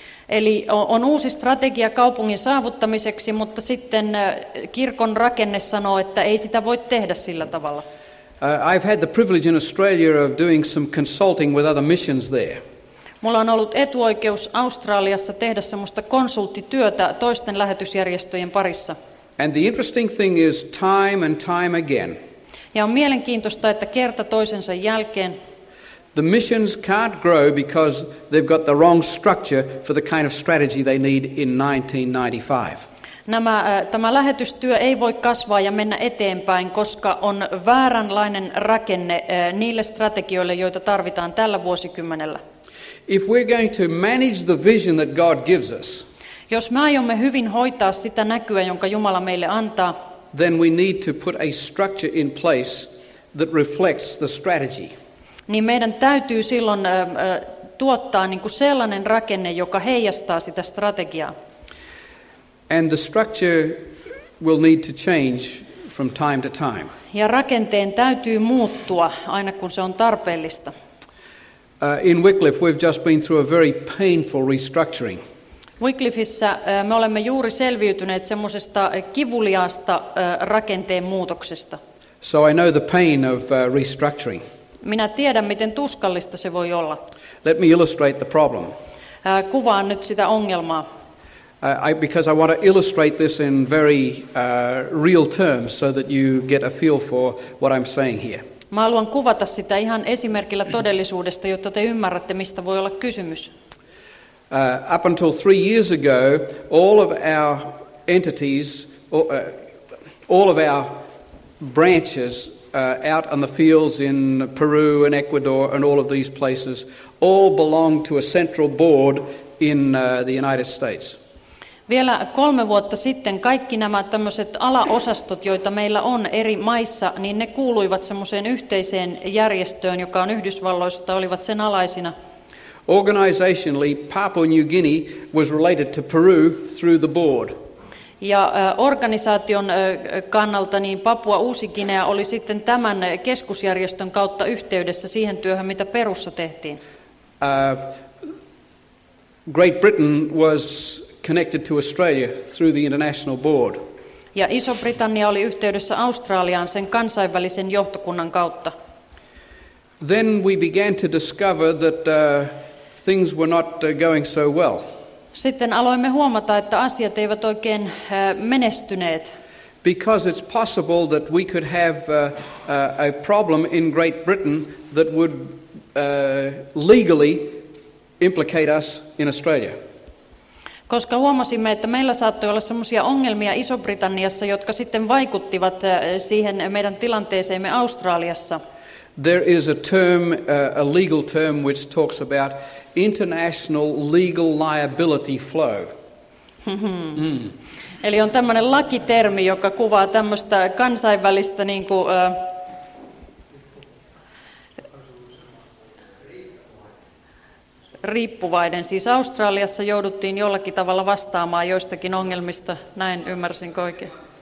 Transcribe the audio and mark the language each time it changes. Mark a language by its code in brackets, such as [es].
[fi] Eli on uusi strategia kaupungin saavuttamiseksi, mutta sitten kirkon rakenne sanoo, että ei sitä voi tehdä sillä tavalla. [en] I've had the privilege in Australia of doing some consulting with other missions there. [fi] Mulla on ollut etuoikeus Australiassa tehdä semmoista konsulttityötä toisten lähetysjärjestöjen parissa. [en] And the interesting thing is time and time again. [fi] Ja on mielenkiintoista, että kerta toisensa jälkeen [en] the missions can't grow because they've got the wrong structure for the kind of strategy they need in 1995. [fi] Tämä lähetystyö ei voi kasvaa ja mennä eteenpäin, koska on vääränlainen rakenne niille strategioille, joita tarvitaan tällä vuosikymmenellä. [en] If we're going to manage the vision that God gives us, [fi] jos me aiomme hyvin hoitaa sitä näkyä, jonka Jumala meille antaa, [en] then we need to put a structure in place that reflects the strategy. [fi] Niin meidän täytyy silloin tuottaa niin kuin sellainen rakenne, joka heijastaa sitä strategiaa. [en] And the structure will need to change from time to time. [fi] Ja rakenteen täytyy muuttua aina kun se on tarpeellista. [en] In Wycliffe we've just been through a very painful restructuring. [fi] Wycliffeissä me olemme juuri selviytyneet semmoisesta kivuliaasta rakenteen muutoksesta. [en] So I know the pain of restructuring. [fi] Minä tiedän, miten tuskallista se voi olla. [en] Let me illustrate the problem. [fi] Kuvaan nyt sitä ongelmaa. [en] Because I want to illustrate this in very real terms so that you get a feel for what I'm saying here. [fi] Mä haluan kuvata sitä ihan esimerkillä todellisuudesta, jotta te ymmärrätte, mistä voi olla kysymys. [en] Up until 3 years ago, all of our entities, all of our branches out on the fields in Peru and Ecuador and all of these places all belong to a central board in the United States. [fi] Vielä 3 vuotta sitten kaikki nämä tämmöiset alaosastot, joita meillä on eri maissa, niin ne kuuluivat semmoiseen yhteiseen järjestöön, joka on Yhdysvalloissa, tai olivat sen alaisina. [en] Organizationally, Papua New Guinea was related to Peru through the board. [fi] Ja organisaation kannalta niin Papua Uusi-Guinea oli sitten tämän keskusjärjestön kautta yhteydessä siihen työhön, mitä Perussa tehtiin. [en] Great Britain was connected to Australia through the international board. [fi] Ja Iso-Britannia oli yhteydessä Australiaan sen kansainvälisen johtokunnan kautta. [en] Then we began to discover that things were not going so well. [fi] Sitten aloimme huomata, että asiat eivät oikein menestyneet. [en] Because it's possible that we could have a problem in Great Britain that would legally implicate us in Australia. [fi] Koska huomasimme, että meillä saattoi olla semmoisia ongelmia Iso-Britanniassa, jotka sitten vaikuttivat siihen meidän tilanteeseemme Australiassa. [en] There is a term, a legal term, which talks about international legal liability flow. [fi] Eli on tämmöinen lakitermi, joka kuvaa tämmöistä kansainvälistä niin kuin riippuvaiden. Siis Australiassa jouduttiin jollakin tavalla vastaamaan joistakin ongelmista, näin ymmärsin oikein.